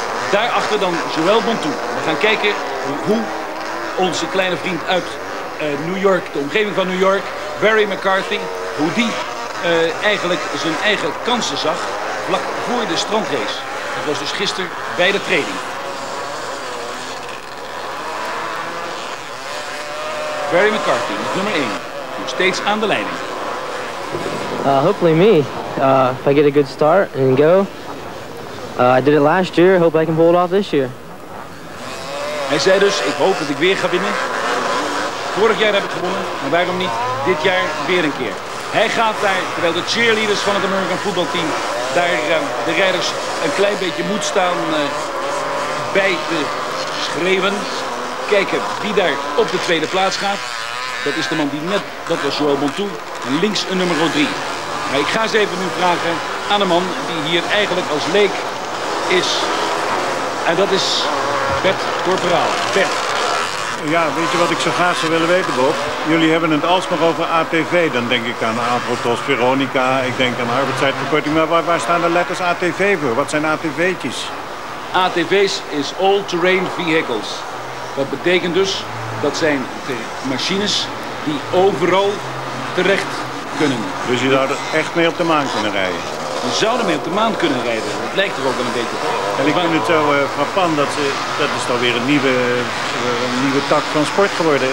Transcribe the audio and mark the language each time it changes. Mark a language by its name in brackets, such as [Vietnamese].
[Dutch] Daarachter dan Joël Bontoux. We gaan kijken hoe onze kleine vriend uit New York, de omgeving van New York, Barry McCarthy, hoe die eigenlijk zijn eigen kansen zag vlak voor de strandrace. Dat was dus gisteren bij de training. Barry McCarthy, nummer 1, nog steeds aan de leiding. [English] Hopefully me, if I get a good start and go. I did it last year, hope I can pull it off this year. [Dutch] Hij zei dus, ik hoop dat ik weer ga winnen. Vorig jaar heb ik gewonnen, maar waarom niet dit jaar weer een keer. Hij gaat daar, terwijl de cheerleaders van het American Football Team daar de rijders een klein beetje moed staan bij te schreeuwen. Kijken wie daar op de tweede plaats gaat. Dat is de man die net, dat was Joël Bontoux, en links een nummer 3. Maar ik ga ze even nu vragen aan een man die hier eigenlijk als leek is. En dat is Bert Corporaal. Bert. Ja, weet je wat ik zo graag zou willen weten, Bob? Jullie hebben het alsmaar over ATV. Dan denk ik aan Avrotos, Veronica, ik denk aan arbeidstijdverkorting. Maar waar staan de letters ATV voor? Wat zijn ATV'tjes? ATV's is All Terrain Vehicles. Dat betekent dus, dat zijn de machines die overal terecht kunnen. Dus je zou er echt mee op de maan kunnen rijden? We zouden mee op de maan kunnen rijden. Dat lijkt er ook wel een beetje op. En ik vind het zo frappant, dat is dan weer een nieuwe tak van sport geworden.